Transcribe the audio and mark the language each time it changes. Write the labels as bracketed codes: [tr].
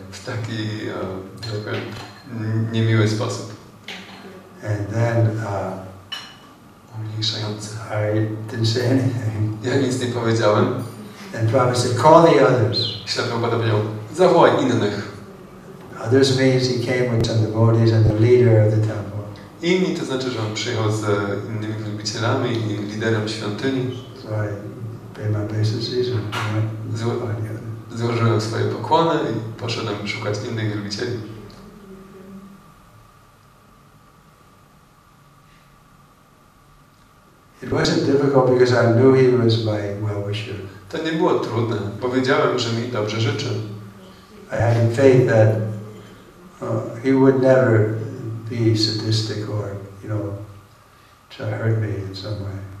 [pl] W taki trochę niemiły sposób. [en] And then [pl] umniejszający. [en] I didn't say anything. [pl] Ja nic nie powiedziałem. [en] And Prabhupada said, call the others. [pl] Ślepy Prabhupada powiedział, zawołaj innych. [en] Others means he came with some devotees and the leader of the temple. [pl] Inni to znaczy, że on przyjechał z innymi wielbicielami i liderem świątyni. [en] So I pay my obeisances and went on the other. [pl] Złożyłem swoje pokłony i poszedłem szukać innych wielbicieli. [en] wasn't difficult because I knew he was my well-wisher. [pl] To nie było trudne, bo wiedziałem, że mi dobrze życzy. [en] I had faith that he would never be sadistic or, you know, try to hurt me in some way.